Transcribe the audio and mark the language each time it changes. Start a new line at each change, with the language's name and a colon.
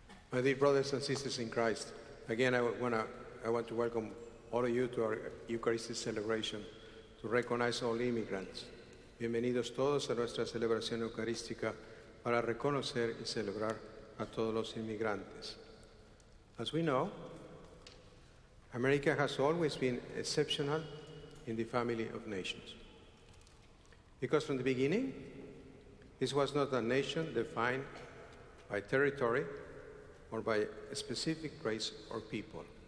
English: My dear brothers and sisters in Christ, again, I want to welcome all of you to our Eucharistic celebration to recognize all immigrants.
Spanish: Bienvenidos todos a nuestra celebración eucarística para reconocer y celebrar a todos los inmigrantes.
English: As we know, America has always been exceptional in the family of nations. Because from the beginning, this was not a nation defined by territory or by a specific race or people.